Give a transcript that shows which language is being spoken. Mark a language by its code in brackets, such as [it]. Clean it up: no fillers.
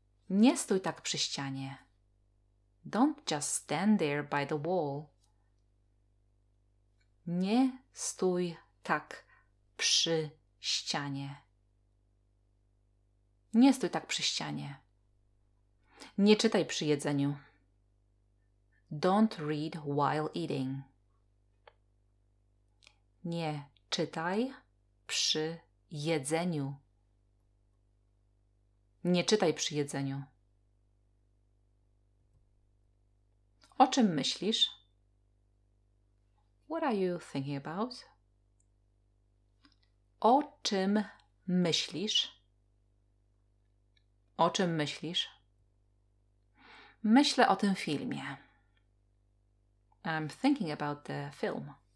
[pl] Nie stój tak przy ścianie. [en] Don't just stand there by the wall. [pl] Nie stój tak przy ścianie. Nie stój tak przy ścianie. Nie czytaj przy jedzeniu. [en] Don't read while eating. [pl] Nie czytaj przy jedzeniu. Nie czytaj przy jedzeniu. O czym myślisz? [en] What are you thinking about? [pl] O czym myślisz? O czym myślisz? Myślę o tym filmie. [en] I'm thinking about the film.